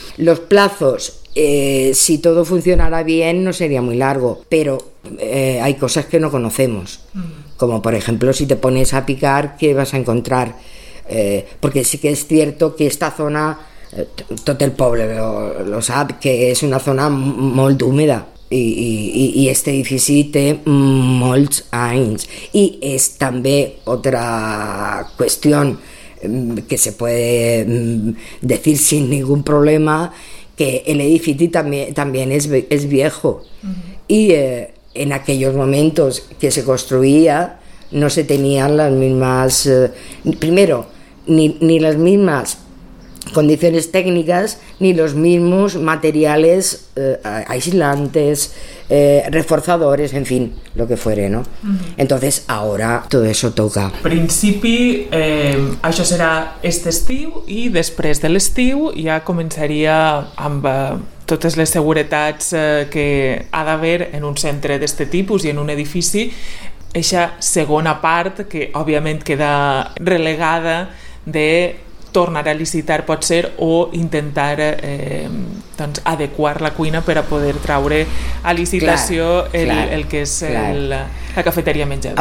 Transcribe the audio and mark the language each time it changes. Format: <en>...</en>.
<es>Los plazos, si todo funcionara bien, no sería muy largo, pero hay cosas que no conocemos, como por ejemplo, si te pones a picar, ¿qué vas a encontrar? Porque sí que es cierto que esta zona, todo el pueblo lo sabe, que es una zona molt húmeda. Y este</es> <ca>edifici té molts anys i és també</ca> <es>otra qüestió que se puede decir sin ningún problema, que el edifici</es> <ca>també és</ca> <es>viejo. Y en aquellos momentos que se construía no se tenían las mismas, primero, ni las mismas condiciones técnicas ni los mismos materiales aislantes, reforzadores, en fin, lo que fuere, ¿no? Entonces ahora todo eso toca.</es> <ca>En principi, això serà aquest estiu, i després de l'estiu ja començaria amb totes les seguretats que ha d'haver en un centre d'aquest tipus i en un edifici, aquesta segona part que òbviament queda relegada de tornar a licitar, pot ser, o intentar doncs, adequar la cuina per a poder traure a licitació el que és la cafeteria menjador.</ca>